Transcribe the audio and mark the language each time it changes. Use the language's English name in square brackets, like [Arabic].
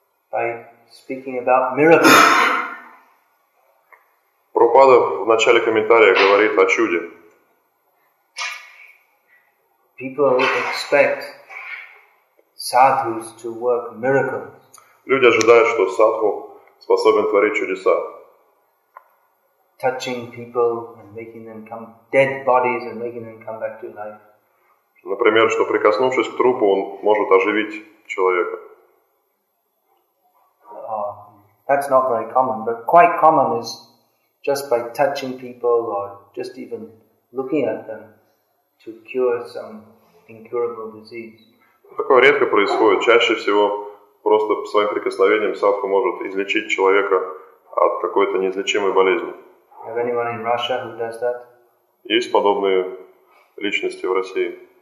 [English] By speaking about miracles. [Russian] Прабхупада в начале комментария говорит о чуде. [English] People expect sadhus to work miracles. [Russian] Люди ожидают, что садху способен творить чудеса. [English] Touching people and making them come dead bodies and making them come back to life. [Russian] Например, что прикоснувшись к трупу, он может оживить человека. [English] That's not very common, but quite common is just by touching people or just even looking at them to cure some incurable disease. [Russian] Такое редко происходит. Чаще всего просто своим прикосновением садху может излечить человека от какой-то неизлечимой болезни. [English] Have anyone in Russia who does that? [Russian] Есть подобные личности в России?